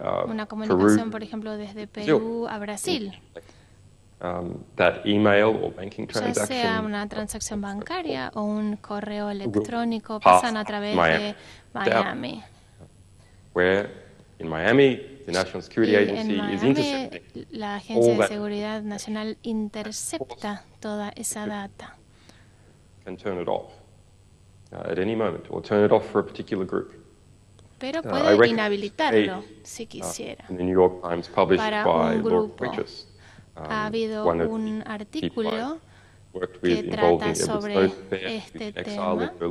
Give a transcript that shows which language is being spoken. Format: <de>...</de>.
<es>Una comunicación, por ejemplo, desde Perú a Brasil.</es> <en>That email or banking transaction,</en> <es>ya sea una transacción bancaria o un correo electrónico, pasan a través de Miami.</es> <en>In Miami, the National Security Agency is intercepting.</en> <es>La Agencia de Seguridad Nacional intercepta toda esa data.</es> <en>Can turn it off at any moment, or turn it off for a particular group.</en> <es>Pero puede inhabilitarlo si quisiera.</es> <en>In the New York Times, published by Lord Bridges,</en> <es>ha habido un artículo que trata sobre este tema.</es>